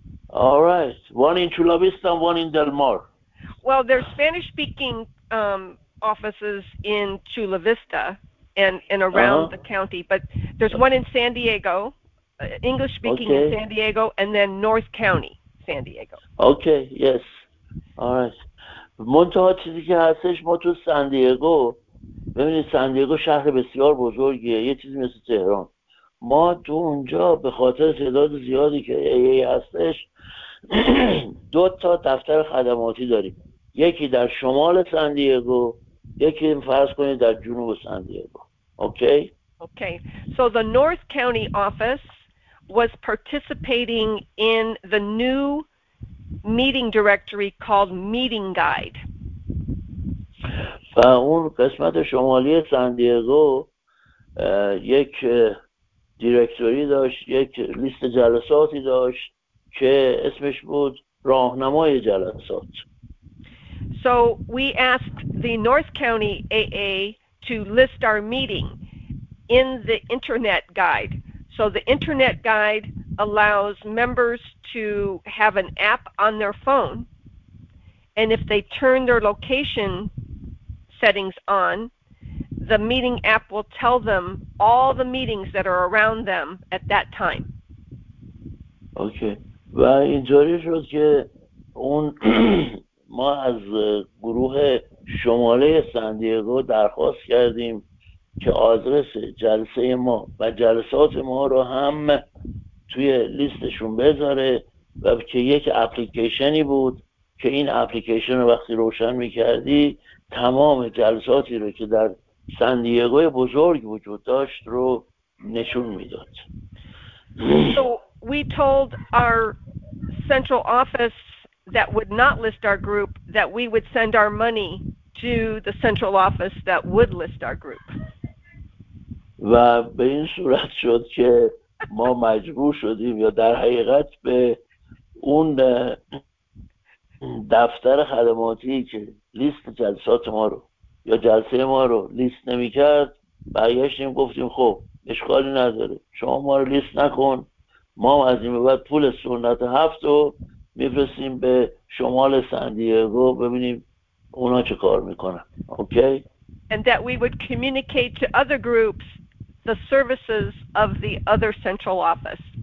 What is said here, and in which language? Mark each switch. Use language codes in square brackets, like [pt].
[en] All right. One in Chula Vista, one in Del Mar. Well, there's Spanish-speaking offices in Chula Vista and around the county. But there's one in San Diego, English-speaking in San Diego, and then North County, San Diego. Okay, yes. All right. [fa] منتها چیزی که هستش ما تو سان دیگو، ببینید سان دیگو شهر بسیار بزرگیه، یه چیزی مثل تهران. ما تو اونجا به خاطر تعداد زیادی که ای هستش دو تا دفتر خدماتی داریم، یکی در شمال سان دیگو، یکی فرض کنید در جنوب سان دیگو. [en] Okay. So the North County office was participating in the new meeting directory called Meeting Guide. [fa] و اون قسمت شمالی سندیگو یک دیرکتوری داشت، یک لیست جلساتی داشت که اسمش بود راهنمای جلسات. [en] So we asked the North County AA to list our meeting in the internet guide. So the internet guide allows members to have an app on their phone, and if they turn their location settings on, the meeting app will tell them all the meetings that are around them at that time. Okay. [fa] و اینجوری شد که اون ما از گروه شماله سندیگو درخواست کردیم که آدرس جلسه ما و جلسات ما رو هم توی لیستشون بذاره، و که یک اپلیکیشنی بود که این اپلیکیشن رو وقتی روشن میکردی تمام جلساتی رو که در سندیگو بزرگ وجود داشت رو نشون میداد. [en] So we told our central office that would not list our group that we would send our money to the central office that would list our group. [fa] و به این صورت شد که ما مجبور شدیم، یا در حقیقت به اون دفتر خدماتی که لیست جلسات ما رو یا جلسه ما رو لیست نمی کرد برگشتیم گفتیم خب اشکالی نداره، شما ما رو لیست نکن، ما از این بعد پول سنت هفت رو میفرستیم به شمال سندیگو ببینیم اونا چه کار میکنن. [en] Okay? And that we would communicate to other groups the services of the other central office.